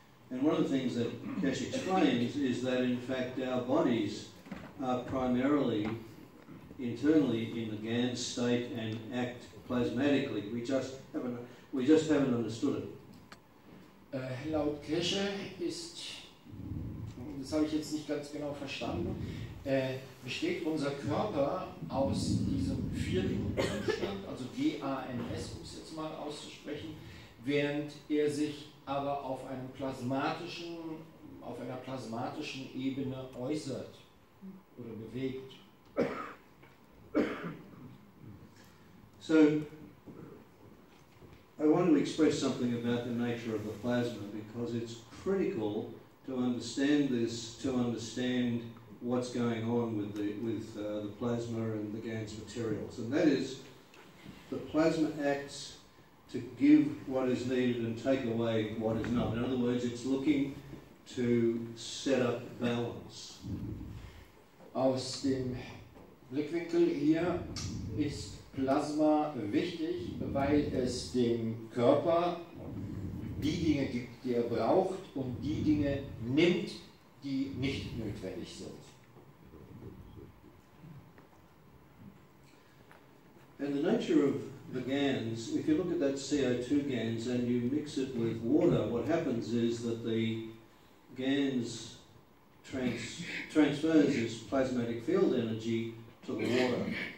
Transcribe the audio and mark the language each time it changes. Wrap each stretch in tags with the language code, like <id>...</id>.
<en>And one of the things that Keshe explains is that in fact our bodies are primarily internally in the GANS state and act plasmatically. We just haven't understood it.</en> <de>Laut Keshe ist, das habe ich jetzt nicht ganz genau verstanden, besteht unser Körper aus diesem vierten Zustand, also GANS, um es jetzt mal auszusprechen, während er sich aber auf einer plasmatischen Ebene äußert oder bewegt.</de> <en>So, I want to express something about the nature of the plasma because it's critical to understand this, to understand what's going on with the plasma and the GANS materials. And that is, the plasma acts to give what is needed and take away what is not. In other words, it's looking to set up balance.</en> <de>Aus dem Blickwinkel hier ist Plasma wichtig, weil es dem Körper die Dinge gibt, die er braucht, und die Dinge nimmt, die nicht notwendig sind.</de> <en>And the nature of the GANS, if you look at that CO2 GANS and you mix it with water, what happens is that the GANS transfers its plasmatic field energy to the water.</en>